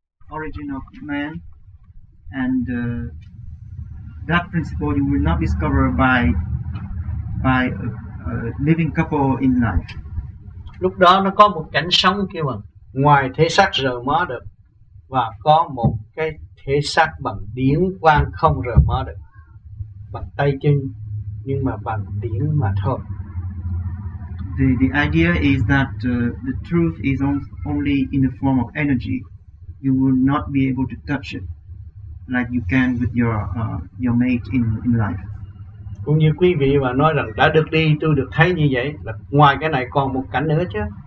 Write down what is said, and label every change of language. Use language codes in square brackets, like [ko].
[en] origin of man, and that principle you will not discover by a living couple in life. [vi] Lúc đó nó có một cảnh sống kia mà ngoài thể xác rời mó được, và có một cái thể xác bằng điển quang không rời mó được, bằng tay chân nhưng mà bằng điển mà thôi. [en] The idea is that the truth is only in the form of energy. You will not be able to touch it like you can with your mate in life. [vi] Cũng như quý vị mà nói rằng đã được đi, tôi được thấy như vậy, là ngoài cái này còn một cảnh nữa chứ.